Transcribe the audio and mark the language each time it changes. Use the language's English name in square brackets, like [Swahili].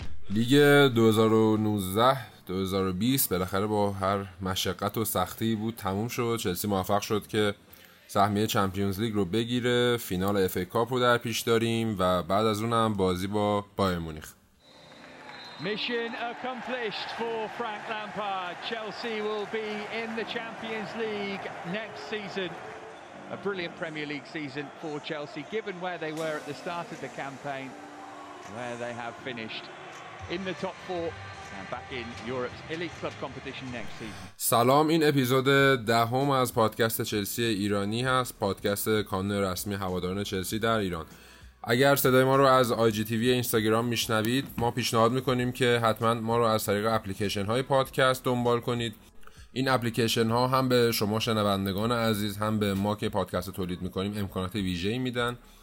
[Persian] لیگ 2019 2020 بالاخره با هر مشقت و سختی بود تموم شد. چلسی موفق شد که سهمیه چمپیونز لیگ رو بگیره. فینال اف ای کاپ رو در پیش داریم و بعد از اونم بازی با بایر مونیخ. [English] Mission accomplished for Frank Lampard. Chelsea will be in the Champions League next season. A brilliant Premier League season for Chelsea, given where they were at the start of the campaign, where they have finished in the top four and back in Europe's elite club competition next season. [Persian] سلام، این اپیزود دهم از پادکست چلسی ایرانی هست، پادکست کانون رسمی هواداران چلسی در ایران. اگر صدای ما رو از آی جی تی وی اینستاگرام میشنوید، ما پیشنهاد میکنیم که حتما ما رو از طریق اپلیکیشن های پادکست دنبال کنید. این اپلیکیشن ها هم به شما شنوندگان عزیز، هم به ما که پادکست تولید میکنیم، امکانات ویژه‌ای میدن.